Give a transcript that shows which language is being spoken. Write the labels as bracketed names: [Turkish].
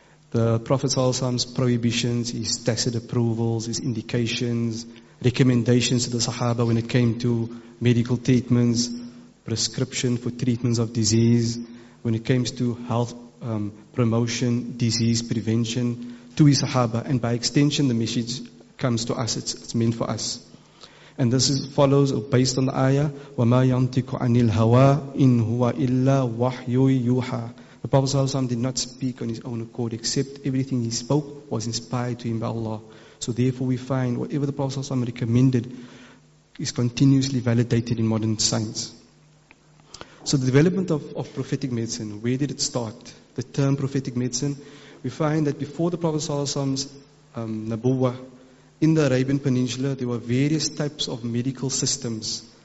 [English] The Prophet ﷺ's prohibitions, His tacit approvals, His indications, recommendations to the Sahaba when it came to medical treatments, prescription for treatments of disease, when it came to health promotion, disease prevention, to his Sahaba, and by extension the message comes to us, it's meant for us. And this is follows based on the ayah, [Arabic] وَمَا يَنْتِكُ عَنِ الْهَوَىٰ إِنْ هُوَ إِلَّا وَحْيُّ يُوحَىٰ. [English] The Prophet ﷺ did not speak on his own accord, except everything he spoke was inspired to him by Allah. So therefore we find whatever the Prophet ﷺ recommended is continuously validated in modern science. So the development of prophetic medicine, where did it start? The term prophetic medicine, we find that before the Prophet ﷺ's Nabuwah, in the Arabian Peninsula, there were various types of medical systems.